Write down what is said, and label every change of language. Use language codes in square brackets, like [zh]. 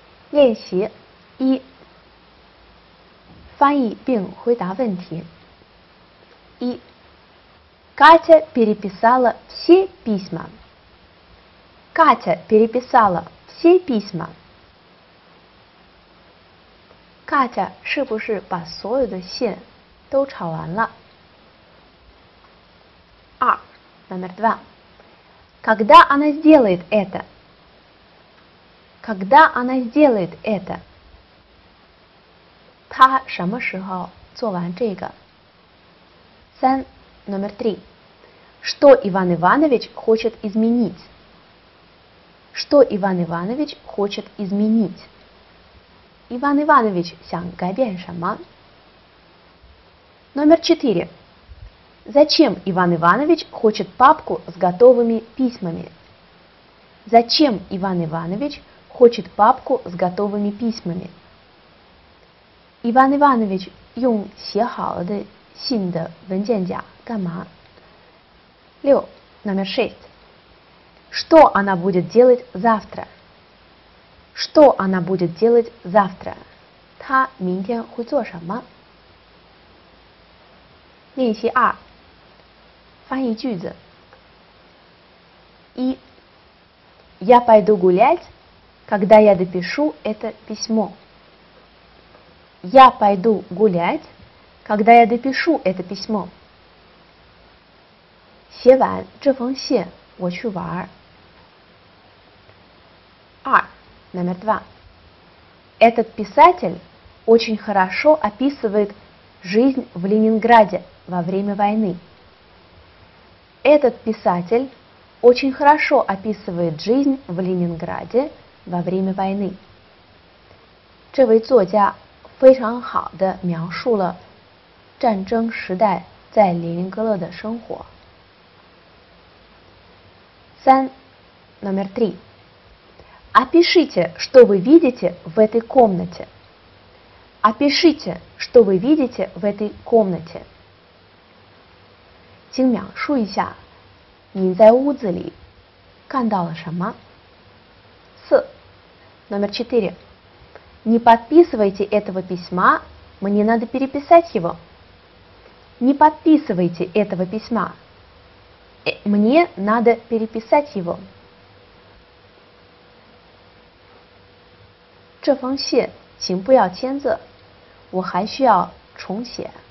[zh] 练习. 一. 翻译并回答问题.一. [ru] Катя переписала все письма. Катя переписала все письма. [zh] Катя 是不是把所有的信都炒完了。 [ru] 二 номер два. Когда она сделает это? Когда она сделает это? [zh] 她什么时候做完这个？ [ru] 三 номер три. Что Иван Иванович хочет изменить? Что Иван Иванович хочет изменить? [zh] Иван Иванович 想改变什么？ [ru] Номер четыре. Зачем Иван Иванович хочет папку с готовыми письмами? Зачем Иван Иванович хочет папку с готовыми письмами? [zh] Иван Иванович 用写好的信的文件夹干嘛？ [ru] 六 номер шесть. Что она будет делать завтра? Что она будет делать завтра? [zh] 她明天会做什么？练习二，翻译句子。 [ru] 一 ，Я пойду гулять, когда я допишу это письмо. Я пойду гулять, когда я допишу это письмо. [zh] 写完这封信，我去玩。 [ru] 二 ，номер два. Этот писатель очень хорошо описывает жизнь в Ленинграде. Во время войны. Этот писатель очень хорошо описывает жизнь в Ленинграде во время войны. [zh] 这位作家非常好地描述了战争时代在列宁格勒的生活。 [ru] 三 номер три. Опишите, что вы видите в этой комнате. Опишите, что вы видите в этой комнате. [zh] 请描述一下你在屋子里看到了什么。 [ru] 四 номер четыре. Не подписывайте этого письма, мне надо переписать его. Не подписывайте этого письма, мне надо переписать его. [zh] 这封信请不要签字，我还需要重写。